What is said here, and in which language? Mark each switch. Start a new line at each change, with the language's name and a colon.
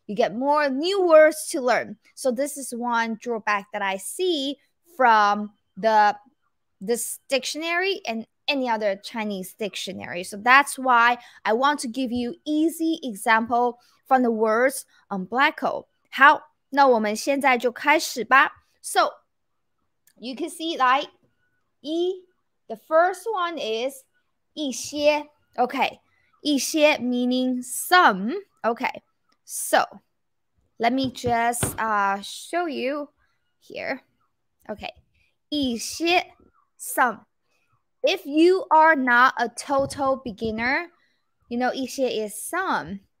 English: You get more new words to learn. So this is one drawback that I see from this dictionary and any other Chinese dictionary. So that's why I want to give you easy example from the words on Pleco.
Chinese: 好，那我们现在就开始吧。
English: So you can see like E. The first one is 一些 okay, 一些 meaning some, okay. So, let me just show you here, okay. 一些 some. If you are not a total beginner, you know 一些 is some.